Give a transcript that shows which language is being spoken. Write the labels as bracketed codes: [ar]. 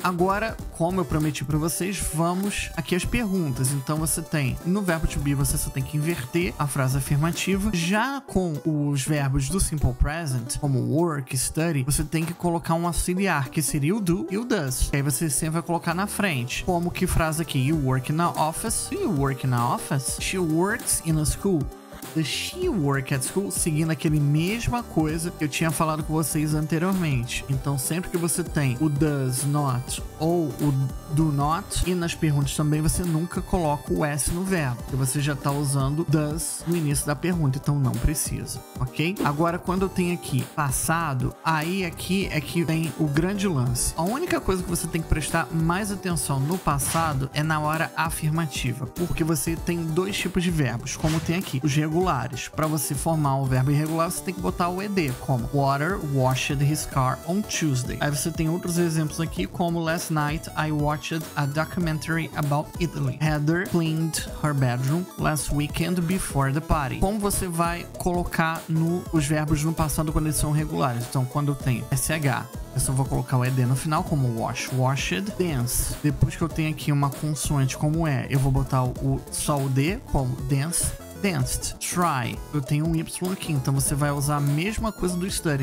[pt] Agora, como eu prometi pra vocês, vamos aqui às perguntas. Então, você tem, no verbo to be, você só tem que inverter a frase afirmativa. Já com os verbos do Simple Present, como work, study, você tem que colocar um auxiliar, que seria o do e o does. E aí você sempre vai colocar na frente. Como que frase aqui? [en] You work in the office. You work in the office. She works in a school. Does she work at school? [pt] Seguindo aquela mesma coisa que eu tinha falado com vocês anteriormente. Então, sempre que você tem o does not ou o do not, e nas perguntas também, você nunca coloca o S no verbo, porque você já está usando does no início da pergunta, então não precisa, ok? Agora, quando eu tenho aqui passado, aí aqui é que vem o grande lance. A única coisa que você tem que prestar mais atenção no passado é na hora afirmativa, porque você tem dois tipos de verbos, como tem aqui, os regulares. Para você formar um verbo irregular, você tem que botar o ED, como [en] water washed his car on Tuesday. [pt] Aí você tem outros exemplos aqui, como [en] last night I watched a documentary about Italy. Heather cleaned her bedroom last weekend before the party. [pt] Como você vai colocar os verbos no passado quando eles são regulares? Então, quando tem SH, eu só vou colocar o ED no final, como wash, washed, dance. Depois que eu tenho aqui uma consoante como é, eu vou botar só o D, como dance, danced. Try, eu tenho um Y aqui, então você vai usar a mesma coisa do study.